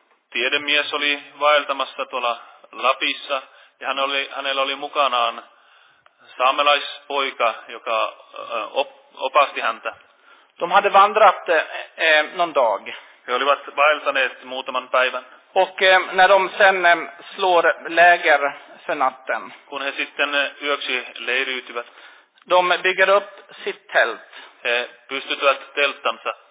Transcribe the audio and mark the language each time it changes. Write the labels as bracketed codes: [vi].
[fi] Tiedemies oli vaeltamassa tuolla Lapissa ja hänellä oli mukanaan saamelaispoika, joka opasti häntä. [sv] De hade vandrat någon dag. [fi] He olivat vaeltaneet muutaman päivän. [sv] Och när de sen slår läger för natten. [fi] Kun he sitten yöksi leiriytyvät. [sv] De bygger upp sitt tält. [fi] He pystytyvät telttansa.